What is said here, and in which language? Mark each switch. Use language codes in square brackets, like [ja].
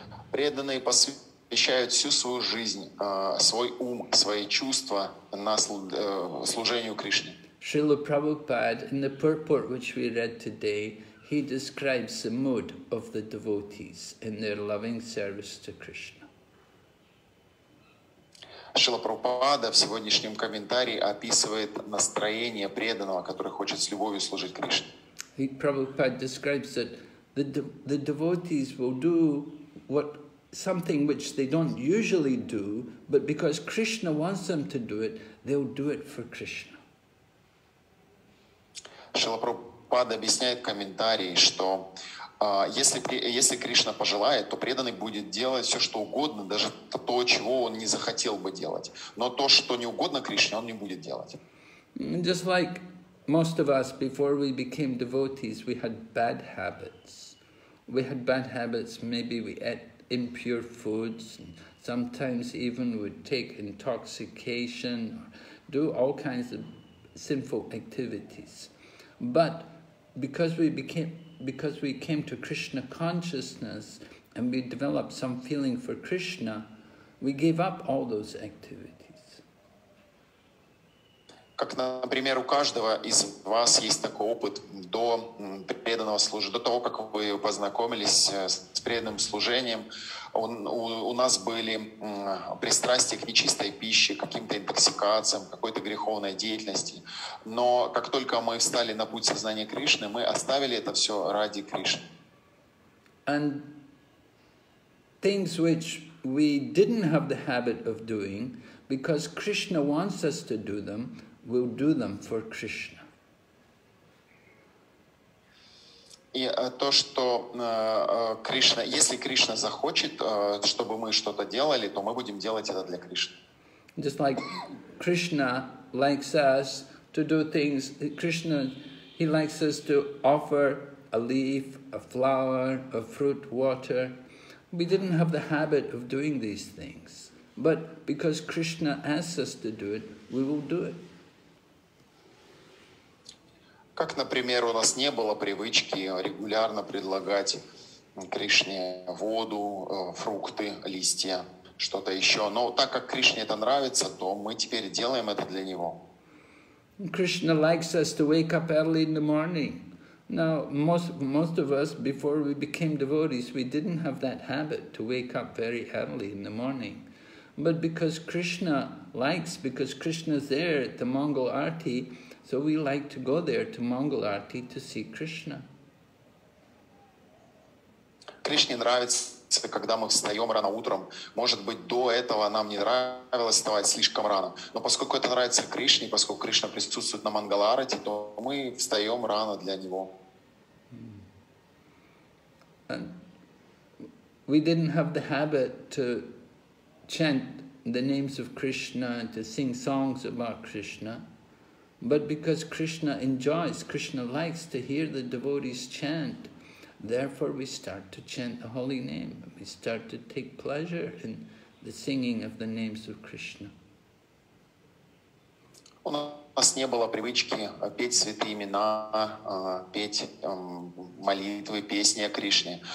[ru] преданные посвящают всю свою жизнь, свой ум, свои чувства на служению Кришне. [en] Srila Prabhupada, in the purport which we read today, he describes the mood of the devotees in their loving service to Krishna. [ru] Шрила Прабхупада в сегодняшнем комментарии описывает настроение преданного, который хочет с любовью служить Кришне. [en] He, Prabhupada describes that the devotees will do what something which they don't usually do, but because Krishna wants them to do it, they'll do it for Krishna. [ru] Шрила Прабхупада объясняет в комментарии, что если Кришна пожелает, то преданный будет делать все, что угодно, даже то, чего он не захотел бы делать. Но то, что не угодно Кришне, он не будет делать. [en] Just like most of us, before we became devotees, we had bad habits. We had bad habits, maybe we ate impure foods, and sometimes even would take intoxication, or do all kinds of sinful activities. But because we came to Krishna consciousness and we developed some feeling for Krishna, we gave up all those activities. [ru] Как, например, у каждого из вас есть такой опыт до преданного служения, до того, как вы познакомились с преданным служением, у нас были пристрастия к нечистой пище, к каким-то интоксикациям, какой-то греховной деятельности. Но как только мы встали на путь сознания Кришны, мы оставили это все ради Кришны. [en] And things which we didn't have the habit of doing, because Krishna wants us to do them, we'll do them for Krishna. [ru] И то, что Кришна, если Кришна захочет, чтобы мы что-то делали, то мы будем делать это для Кришны. [en] Just like Krishna likes us to do things, Krishna, he likes us to offer a leaf, a flower, a fruit, water. We didn't have the habit of doing these things, but because Krishna asks us to do it, we will do it. [ru] Как, например, у нас не было привычки регулярно предлагать Кришне воду, фрукты, листья, что-то еще. Но так как Кришне это нравится, то мы теперь делаем это для Него. [en] Krishna likes us to wake up early in the morning. Now, most of us, before we became devotees, we didn't have that habit to wake up very early in the morning. But because Krishna likes, because Krishna's there at the Mangal Arti, so we like to go there to Mangal Arti to see Krishna. [ru] Кришне нравится, когда мы встаем рано утром. Может быть, до этого нам не нравилось вставать слишком рано. Но поскольку это нравится Кришне, поскольку Кришна присутствует на Мангал Арти, то мы встаем рано для Него. [en] And we didn't have the habit to chant the names of Krishna, to sing songs about Krishna. But because Krishna enjoys, Krishna likes to hear the devotees chant, therefore we start to chant the holy name. We start to take pleasure in the singing of the names of Krishna. [ru] У нас не было привычки петь святые имена, петь молитвы, песни о Кришне.